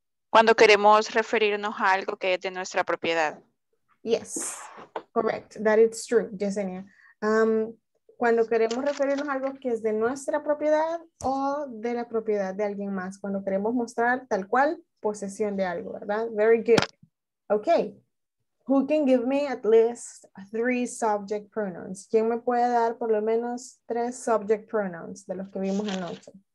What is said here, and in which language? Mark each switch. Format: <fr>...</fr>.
<es>Cuando queremos referirnos a algo que es de nuestra propiedad.</es> <en>Yes, correct. That is true, Yesenia.</en> <es>Cuando queremos referirnos a algo que es de nuestra propiedad o de la propiedad de alguien más. Cuando queremos mostrar tal cual posesión de algo, ¿verdad?</es> <en>Very good. Okay. Who can give me at least 3 subject pronouns?</en> <es>¿Quién me puede dar por lo menos 3 subject pronouns de los que vimos anoche?</es>